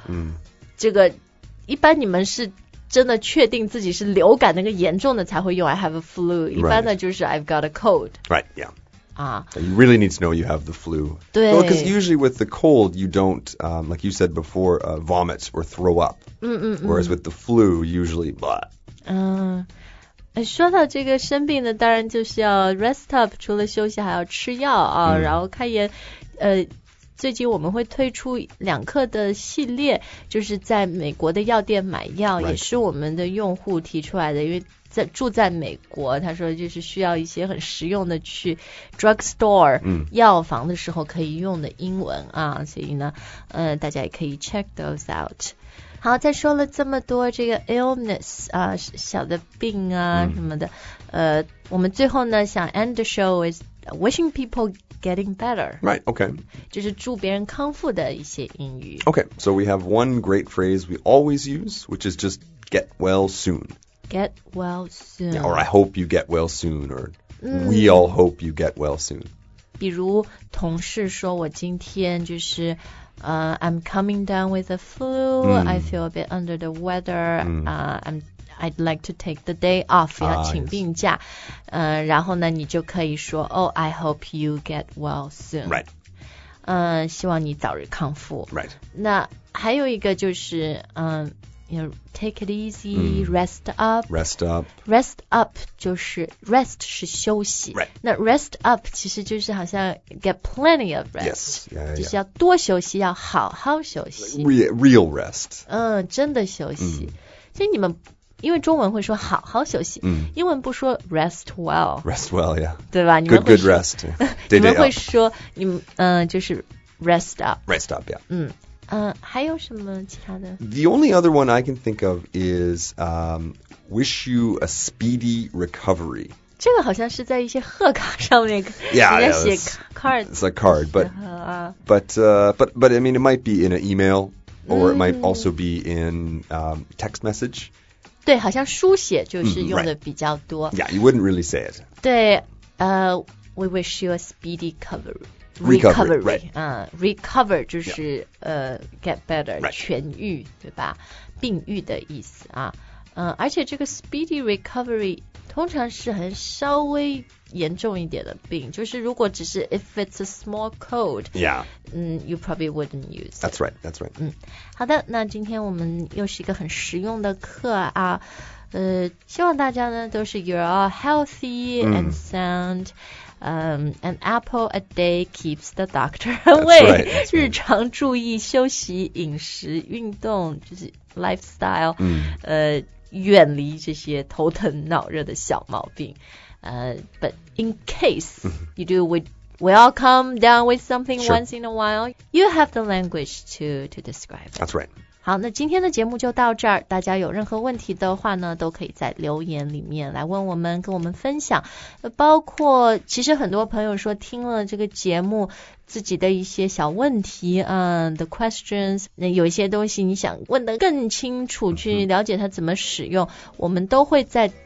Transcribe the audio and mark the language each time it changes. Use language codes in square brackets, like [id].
[zh] mm. 这个一般你们是真的确定自己是流感那个严重的才会用 [en] I have a flu、 right. [zh] 一般的就是 [en] I've got a cold right yeah、啊、 you really need to know you have the flu [zh] 对 [en] because、well, usually with the cold you don't、like you said before、vomit or throw up、嗯、 whereas with the flu usually blah、 [zh] 说到这个生病的当然就是要 [en] rest up [zh] 除了休息还要吃药啊、嗯，然后开炎最近我们会推出两课的系列就是在美国的药店买药、 [en] right. [zh] 也是我们的用户提出来的因为在住在美国他说就是需要一些很实用的去 drugstore、 mm. 药房的时候可以用的英文啊所以呢大家也可以 [en] check those out [zh] 好再说了这么多这个 illness 啊小的病啊、mm. 什么的我们最后呢想 [en] end the show with wishing peopleGetting better. Right, okay. [zh] 就是祝别人康复的一些英语。 [en] Okay, so we have one great phrase we always use, which is just get well soon. Get well soon. Yeah, or I hope you get well soon, or、mm. we all hope you get well soon. [zh] 比如同事说我今天就是 [en] I'm coming down with the flu,、 [zh] mm. [en] I feel a bit under the weather,、mm. I'd like to take the day off, [zh] 要请病假、 [en] yes. [zh] 然后呢你就可以说 [en] Oh, I hope you get well soon. Right.、 [zh] 希望你早日康复。 [en] Right. [zh] 那还有一个就是、 [en] you know, take it easy,、mm. rest up. Rest up. Rest up [zh] 就是 rest 是休息。 [en] Right. [zh] 那 [en] rest up [zh] 其实就是好像 [en] get plenty of rest. Yes. Yeah, yeah, yeah. [zh] 就是要多休息要好好休息。 [en] Real rest.、 [zh] 真的休息。Mm. 所以你们因为中文会说好好休息、嗯、英文不说 [en] rest well rest well yeah [zh] 对吧 [en] good rest day [zh] 你们会说你们、就是 [en] rest up rest up yeah、 [zh] 嗯还有什么其他的 [en] the only other one I can think of is、wish you a speedy recovery [zh] 这个好像是在一些贺卡上面 [en] yeah, [zh] 写 card [en] it's a card but I mean it might be in an email or、嗯、it might also be in、text message [zh] 对好像书写就是用的比较多、 [en] right. Yeah, you wouldn't really say it [zh] 对、 [en] We wish you a speedy recovery Recovery, right、 [zh] Recover 就是、 [en] yeah. Get better、 right. [zh] 痊愈对吧病愈的意思啊、而且这个 [en] speedy recovery [zh] 通常是很稍微严重一点的病就是如果只是 [en] If it's a small cold Yeah、 You probably wouldn't use That's right That's right、 [zh] 好的那今天我们又是一个很实用的课啊希望大家呢都是 [en] You're all healthy、 [zh] mm. [en] and sound、An apple a day keeps the doctor away That's right, that's right. [zh] 日常注意休息饮食运动就是 lifestyle、 mm. 远离这些头疼脑热的小毛病 [en] but in case you do, we all come down with something、 sure. once in a while. You have the language to describe. That's right. [zh] 好，那今天的节目就到这儿。大家有任何问题的话呢，都可以在留言里面来问我们，跟我们分享。包括其实很多朋友说听了这个节目，自己的一些小问题， [en] the questions， [zh] 那有一些东西你想问得更清楚，去了解它怎么使用，我们都会在。